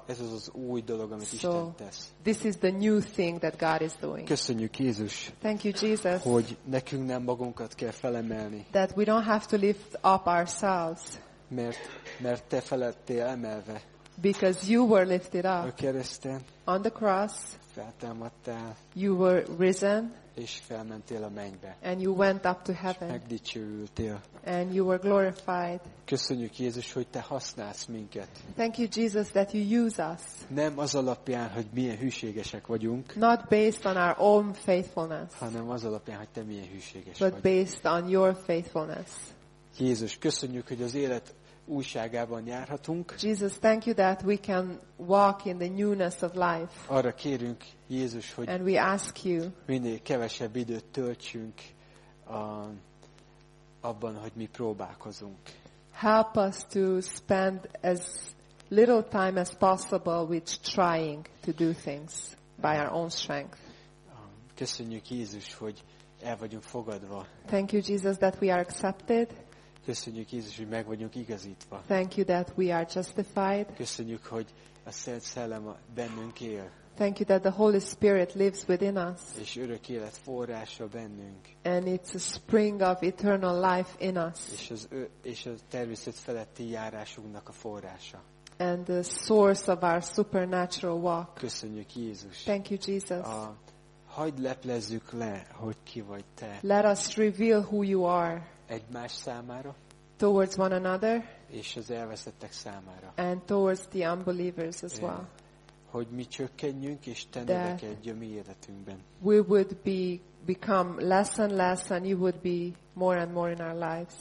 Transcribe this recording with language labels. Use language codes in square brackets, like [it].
[hu] Ez az az új dolog, amit Isten tesz. [en] This is the new thing that God is doing. [hu] Köszönjük, Jézus. [en] Thank you, Jesus. [hu] Hogy nekünk nem magunkat kell felemelni. [en] That we don't have to lift up ourselves. [hu] Mert te felettél emelve. [en] Because you were lifted up. [hu] A kereszten. [en] On the cross. [hu] Feltámadtál. [en] You were risen. [hu] És felmentél a mennybe. [en] And you went up to heaven. [hu] És megdicsőültél. [en] And you were glorified. [hu] Köszönjük, Jézus, hogy te használsz minket. [en] Thank you, Jesus, that you use us. [hu] Nem az alapján, hogy milyen hűségesek vagyunk. [en] Not based on our own faithfulness. [hu] Hanem az alapján, hogy te milyen hűséges vagy. [en] But based on your faithfulness. [hu] Jézus, köszönjük, hogy az élet újságában járhatunk. [en] Jesus, thank you that we can walk in the newness of life. [hu] Arra kérünk, Jézus, hogy [en] and we ask you, [hu] minél kevesebb időt töltsünk abban, hogy mi próbálkozunk. [en] Help us to spend as little time as possible with trying to do things by our own strength. [hu] Köszönjük, Jézus, hogy el vagyunk fogadva. [en] Thank you, Jesus, that we are accepted. [hu] Köszönjük, Jézus, hogy meg vagyunk igazítva. [en] Thank you that we are justified. [hu] Köszönjük, hogy a Szent Szellem bennünk él. [en] Thank you that the Holy Spirit lives within us. [hu] És örök élet forrása bennünk. [en] And it's a spring of eternal life in us. [hu] És a természet feletti járásunknak a forrása. [en] And the source of our supernatural walk. [hu] Köszönjük, Jézus. [en] Thank you, Jesus. [hu] Hagyd leplezzük le, hogy ki vagy te. [en] Let us reveal who you are. [hu] Egymás számára. [en] Towards one another. [hu] És az elveszettek számára. [en] And towards the unbelievers as well. [hu] Hogy mi csökkenjünk és te növekedj a mi életünkben. [en] We would become less and less, and you would be more and more in our lives.